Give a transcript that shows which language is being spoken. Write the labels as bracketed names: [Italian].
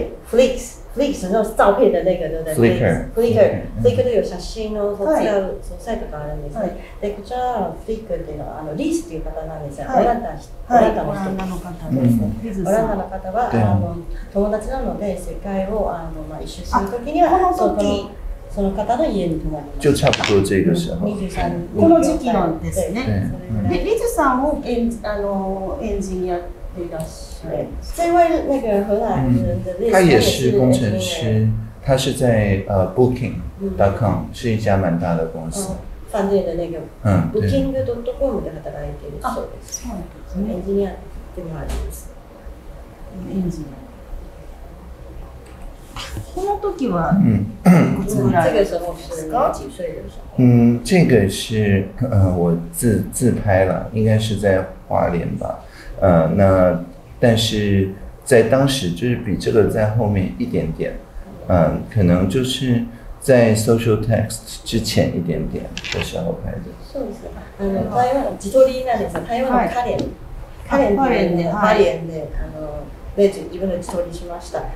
[Chinese] Flix 那个照片的那个，对不对？Flickr 都有写信哦，所以要所在的人也是。 [Japanese] 对，こちら Flickr っていうのはリスという方なんですよ。オランダの方です。オランダの方は友達なので、世界を一周するときにはこの時その方の家に泊まります。 [Chinese] 就差不多这个时候。 [Japanese] この時期なんですね。でリズさんをエンジニアでいらっしゃる。 [Chinese] 这位那个荷兰人的他也是工程师，他是在Booking.com 是一家蛮大的公司。饭店的那个。 [Japanese] Booking.com で働いているそうです。エンジニアでもあります。エンジニア。この時はいくつぐらいですか？ [Chinese] 这个是我自拍了，应该是在花莲吧。那但是在当时就是比这个在后面一点点，可能就是在 social text 之前一点点的时候拍的。 [Japanese] そうですか。台湾自撮りなんですよ。台湾の花莲、花莲で、花莲で、自分で自撮りしました。